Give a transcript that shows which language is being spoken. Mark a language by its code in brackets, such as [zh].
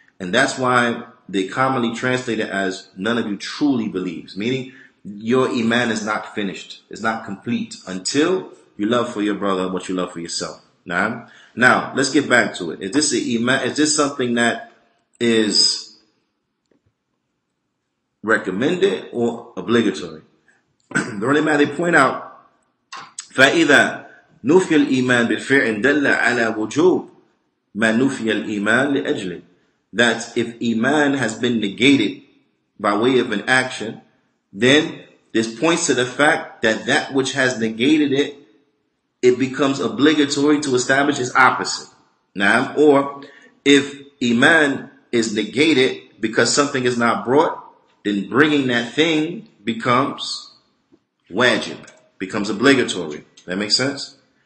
[en] And that's why they commonly translate it as none of you truly believes, meaning your iman is not finished. It's not complete until you love for your brother what you love for yourself. Now, let's get back to it. Is this a iman? Is this something that is recommended or obligatory? The only matter they point out, [ar] فَإِذَا نُفِيَ الْإِيمَانِ بِالْفِعْلِ دَلَّ عَلَى وُجُوبِ مَا نُفِيَ الْإِيمَانِ لِأَجْلِهِ. [en] that if Iman has been negated by way of an action, then this points to the fact that that which has negated it, it becomes obligatory to establish its opposite. Now, or if Iman is negated because something is not brought, then bringing that thing becomes wajib, becomes obligatory. That makes sense?